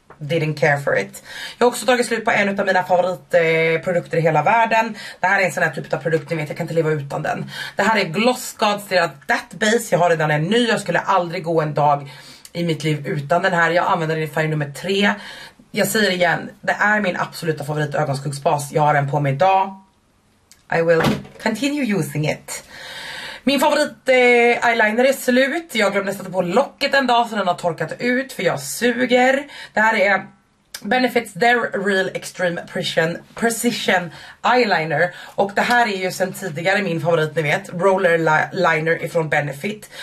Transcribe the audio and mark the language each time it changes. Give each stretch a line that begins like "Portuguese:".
English: Didn't care for it.
Swedish: Jag har också tagit slut på en av mina favoritprodukter i hela världen. Det här är en sån här typ av produkt, ni vet, jag kan inte leva utan den. Det här är Gloss God Serum That Base. Jag har redan en ny, jag skulle aldrig gå en dag i mitt liv utan den här. Jag använder den i färg nummer 3. Jag säger igen, det är min absoluta favorit ögonskuggsbas. Jag har den på mig idag.
English: I will continue using it.
Swedish: Min favorit eyeliner är slut. Jag glömde sätta på locket en dag så den har torkat ut för jag suger. Det här är Benefits Dare Real Extreme Precision Eyeliner. Och det här är ju sen tidigare min favorit, ni vet, Roller Liner ifrån Benefit.